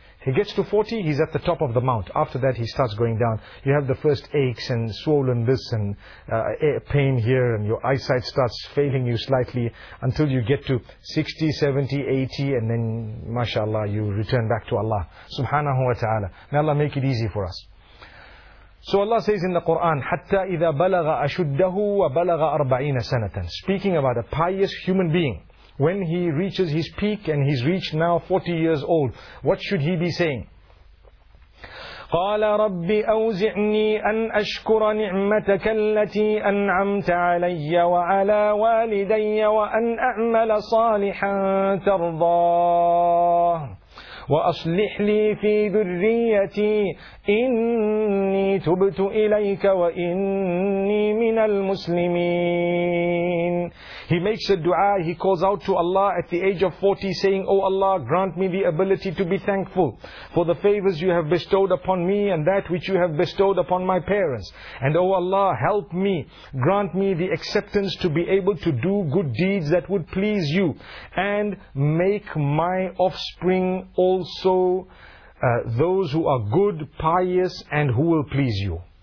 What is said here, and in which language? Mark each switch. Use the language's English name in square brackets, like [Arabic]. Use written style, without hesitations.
[English] He gets to 40, he's at the top of the mount. After that, he starts going down. You have the first aches and swollen this and pain here, and your eyesight starts failing you slightly until you get to 60, 70, 80, and then, mashallah, you return back to Allah. Subhanahu wa ta'ala. May Allah make it easy for us. So Allah says in the Quran, [Arabic] حَتَّى إِذَا بَلَغَ أَشُدَّهُ وَبَلَغَ أَرْبَعِينَ سَنَةً. [English] Speaking about a pious human being. When he reaches his peak and he's reached now 40 years old, what should he be saying? [Arabic] قال ربي أوزعني أن أشكر نعمتك التي أنعمت علي وعلى والدي وأن أعمل صالحا ترضاه وأصلح لي في ذريتي إني تبت إليك وإني من المسلمين. [English] He makes a dua, he calls out to Allah at the age of 40 saying, O Allah, grant me the ability to be thankful for the favors you have bestowed upon me and that which you have bestowed upon my parents. And O Allah, help me, grant me the acceptance to be able to do good deeds that would please you and make my offspring also those who are good, pious and who will please you.